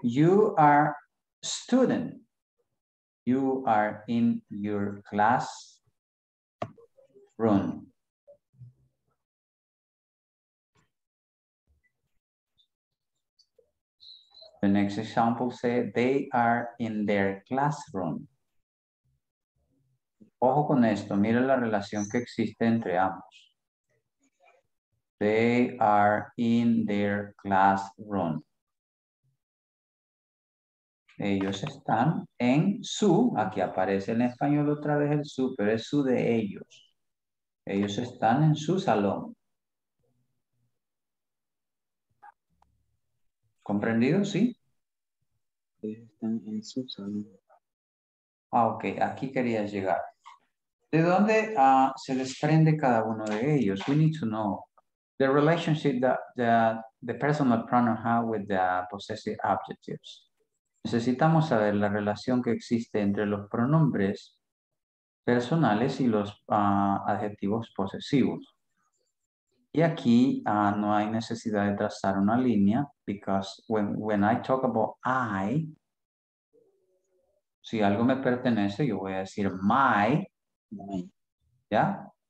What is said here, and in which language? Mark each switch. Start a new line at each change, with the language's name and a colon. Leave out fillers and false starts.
English: You are student. You are in your class room. The next example say they are in their classroom.
Spanish: Ojo con esto, mira la relación que existe entre ambos.
English: They are in their classroom.
Spanish: Ellos están en su, aquí aparece en español otra vez el su, pero es su de ellos. Ellos están en su salón. ¿Comprendido? Sí. Están en su salón. Ah, ok. Aquí quería llegar. ¿De dónde se desprende cada uno de ellos?
English: We need to know the relationship that the personal pronoun have with the possessive adjectives.
Spanish: Necesitamos saber la relación que existe entre los pronombres personales y los adjetivos posesivos. Y aquí no hay necesidad de trazar una línea,
English: because when I talk about I,
Spanish: si algo me pertenece, yo voy a decir my, ¿ya?